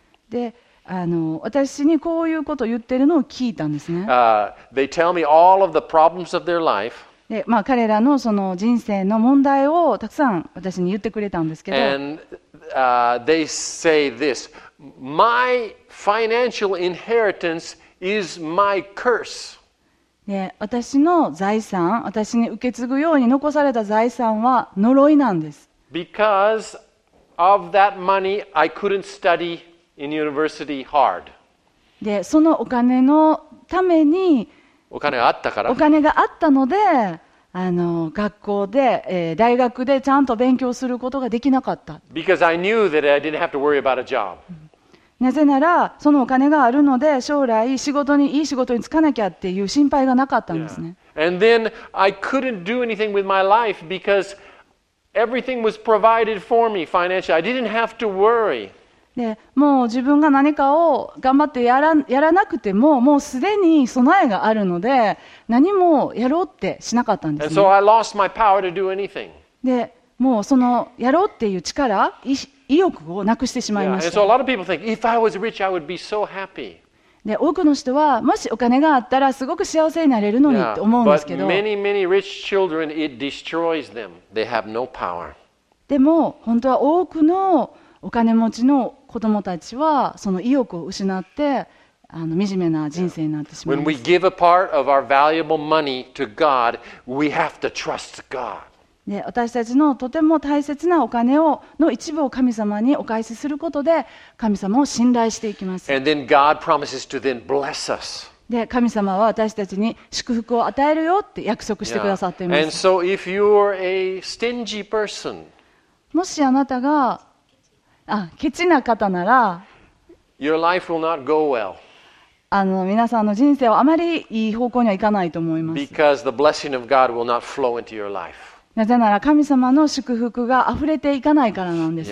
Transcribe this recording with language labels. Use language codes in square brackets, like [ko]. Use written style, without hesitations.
[ja] で、私にこういうことを言ってるのを聞いたんですね。 [en] They tell me all of the problems of their life. [ja] で、まあ彼らのその人生の問題をたくさん私に言ってくれたんですけど。 [en] And they say this. My financial inheritance is my curse. [ja] で、私の財産、私に受け継ぐように残された財産は呪いなんです。 [en] Because of that money, I couldn't study in university hard. [ja] で、そのお金のために、お金があったから。お金があったので、学校で、大学でちゃんと勉強することができなかった。 [en] Because I knew that I didn't have to worry about a job. [ja] なぜならそのお金があるので将来仕事にいい仕事に就かなきゃっていう心配がなかったんですね。 [en] Yeah. And then I couldn't do anything with my life because everything was provided for me financially. I didn't have to worry. [ja] で、もう自分が何かを頑張ってやらなくてももうすでに備えがあるので何もやろうってしなかったんですね。 [en] And so I lost my power to do anything. [ja] で、もうそのやろうっていう力、意欲をなくしてしまいました。 [en] Yeah, and so a lot of people think, if I was rich, I would be so happy. [ja] で、多くの人はもしお金があったらすごく幸せになれるのにって思うんですけど。 [en] But many, many rich children, it destroys them. They have no power. [ja] でも本当は多くのお金持ちの子供たちはその意欲を失って惨めな人生になってしまいます。 [en] When we give a part of our valuable money to God, we have to trust God. [ja] で、私たちのとても大切なお金をの一部を神様にお返しすることで神様を信頼していきます。 [en] And then God promises to then bless us. [ja] で、神様は私たちに祝福を与えるよって約束してくださっています。 [en] Yeah. And so if you're a stingy person, [ja] もしあなたがケチな方なら [en] your life will not go well. [ja] 皆さんの人生はあまりいい方向にはいかないと思います。 [en] Because the blessing of God will not flow into your life. [ja] なぜなら神様の祝福が溢れていかないからなんです